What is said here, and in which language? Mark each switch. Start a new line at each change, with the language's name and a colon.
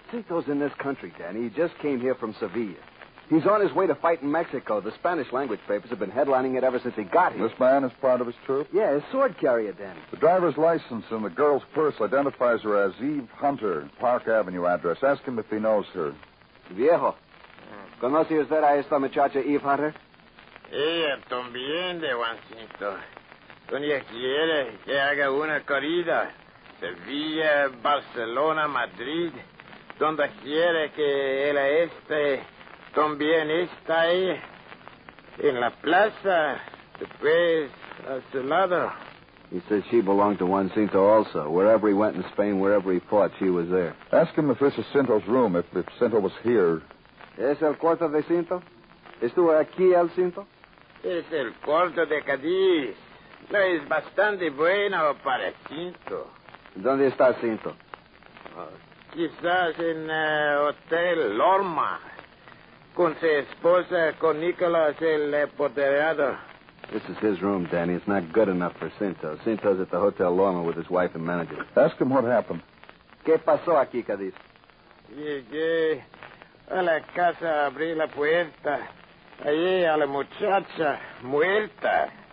English: Cinto's in this country, Danny. He just came here from Sevilla. He's on his way to fight in Mexico. The Spanish language papers have been headlining it ever since he got here. This man is part of his troop? Yeah, his sword carrier, Danny. The driver's license and the girl's purse identifies her as Eve Hunter, Park Avenue address. Ask him if he knows her.
Spanish: Viejo, ¿conoce usted a esta muchacha Eve Hunter? Ella también de Juancito. Donde quiere que haga una corrida. Sevilla, Barcelona, Madrid. Donde quiere que él esté... También está ahí, en la plaza, después a su lado.
English: He said she belonged to Juancito also. Wherever he went in Spain, wherever he fought, she was there. Ask him if this is Cinto's room, if Cinto was here.
Spanish: ¿Es el cuarto de Cinto? ¿Estuvo aquí el Cinto? Es el cuarto de Cadiz. No es bastante bueno para Cinto. ¿Dónde está Cinto? Quizás en el Hotel Lorma. Con su esposa, con Nicolás, el apoderado.
English: This is his room, Danny. It's not good enough for Cinto. Cinto's at the Hotel Lorma with his wife and manager. Ask him what happened.
Spanish: ¿Qué pasó aquí, Cadiz? Llegué a la casa, abrí la puerta. Allí a la muchacha, muerta.